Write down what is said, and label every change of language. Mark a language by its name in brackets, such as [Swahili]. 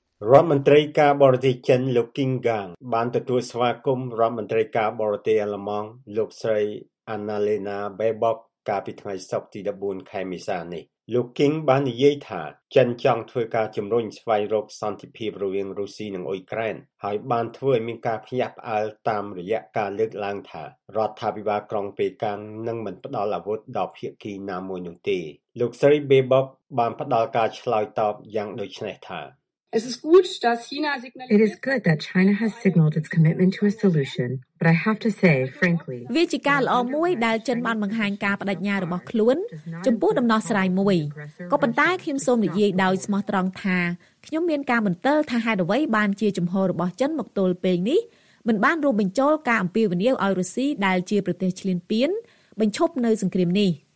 [Khmer] រដ្ឋមន្ត្រីការបរទេសចិនលោក King Gang បានទទួលស្វាគមន៍រដ្ឋមន្ត្រីការបរទេសអាល្លឺម៉ង់លោកស្រី Annalena Baerbock កាលពីថ្ងៃសុក្រទី14ខែមេសានេះលោក King បាននិយាយថាចិនចង់ធ្វើការជំរុញស្វែងរកសន្តិភាពរវាងរុស្ស៊ីនិងអ៊ុយក្រែនហើយបានធ្វើឲ្យមានការភ្ញាក់ផ្អើលតាមរយៈការលើកឡើងថារដ្ឋាភិបាលក្រុងប៉េកាំងនឹងមិនផ្ដល់អាវុធដល់ភាគីណាមួយនោះទេលោកស្រី Baerbock បានផ្ដល់ការឆ្លើយតបយ៉ាងដូចនេះថា [English] It is good that China has signaled its commitment to a solution, but I have to say frankly. [Khmer] វាជាការល្អមួយដែលចិនបានបង្ហាញការបដិញ្ញារបស់ខ្លួនចំពោះដំណោះស្រាយមួយក៏ប៉ុន្តែខ្ញុំសូមនិយាយដោយស្មោះត្រង់ថាខ្ញុំមានការមន្ទិលថាហេតុអ្វីបានជាជំហររបស់ចិនមកទល់ពេលនេះមិនបានរួមបញ្ចូលការអំពាវនាវឲ្យរុស្ស៊ីដែលជាប្រទេសឈ្លានពានបញ្ឈប់នៅសង្គ្រាមនេះ